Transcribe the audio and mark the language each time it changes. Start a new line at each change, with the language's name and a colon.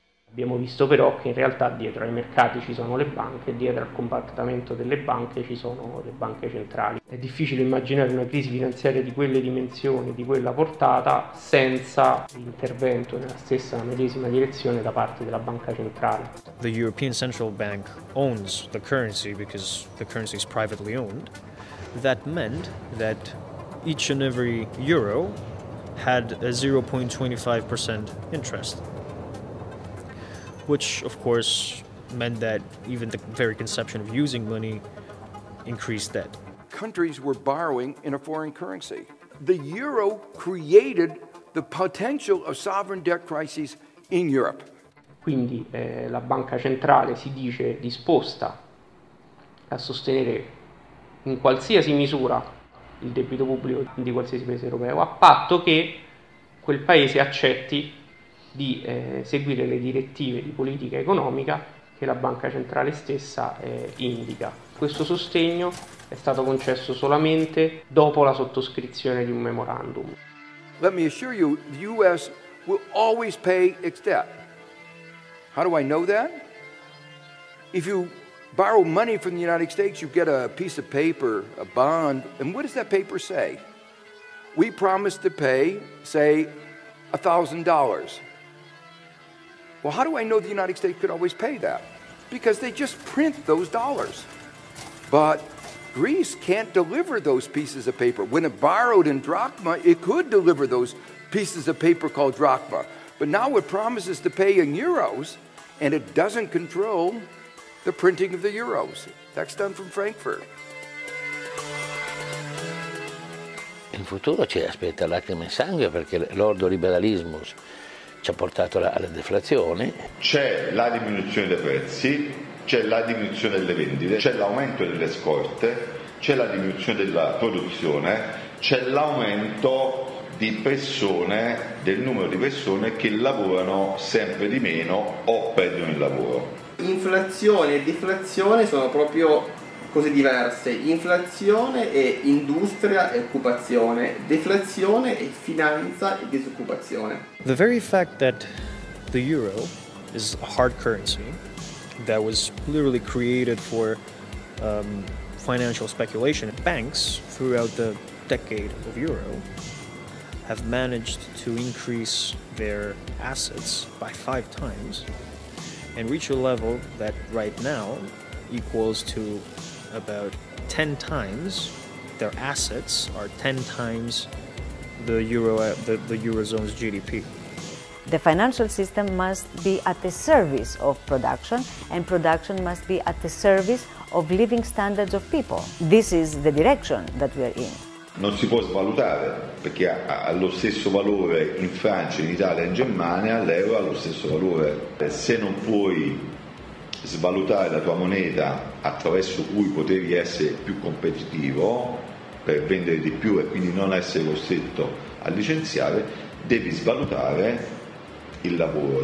Italian: Abbiamo visto però che in realtà dietro ai mercati ci sono le banche, dietro al comportamento delle banche ci sono le banche centrali. È difficile immaginare una crisi finanziaria di quelle dimensioni, di quella portata, senza l'intervento nella stessa medesima direzione da parte della banca centrale.
English: The European Central Bank owns the currency because the currency is privately owned. That meant that each and every euro had a 0.25% interest. Which of course meant that even the very conception of using money increased debt. Countries were borrowing in a foreign currency. The euro created the potential of sovereign debt crises in Europe.
Italian: Quindi la banca centrale si dice disposta a sostenere in qualsiasi misura il debito pubblico di qualsiasi paese europeo, a patto che quel paese accetti di seguire le direttive di politica economica che la banca centrale stessa indica. Questo sostegno è stato concesso solamente dopo la sottoscrizione di un memorandum.
English: Let me assure you, the US will always pay its debt. How do I know that? If you borrow money from the United States, you get a piece of paper, a bond, and what does that paper say? We promise to pay, say, $1,000. Well, how do I know the United States could always pay that? Because they just print those dollars. But Greece can't deliver those pieces of paper. When it borrowed in drachma, it could deliver those pieces of paper called drachma. But now it promises to pay in euros, and it doesn't control the printing of the euros. That's done from Frankfurt.
Italian: In futuro ci aspetta lacrime e sangue perché l'ordoliberalismo ci ha portato alla deflazione. C'è la diminuzione dei prezzi, c'è la diminuzione delle vendite, c'è l'aumento delle scorte, c'è la diminuzione della produzione, c'è l'aumento di persone, del numero di persone che lavorano sempre di meno o perdono il lavoro. Inflazione e deflazione sono proprio cose diverse. Inflazione è industria e occupazione, deflazione è finanza e disoccupazione.
English: The very fact that the euro is a hard currency that was literally created for financial speculation, banks throughout the decade of euro have managed to increase their assets by 5 times and reach a level that right now equals to about 10 times their assets are 10 times the eurozone's GDP. The financial system must be at the service of production, and production must be at the service of living standards of people. This is the direction that we are in.
Italian: Non si può svalutare, perché ha lo stesso valore in Francia, in Italia e in Germania, l'euro ha lo stesso valore. Se non puoi svalutare la tua moneta attraverso cui potevi essere più competitivo per vendere di più e quindi non essere costretto a licenziare, devi svalutare il lavoro.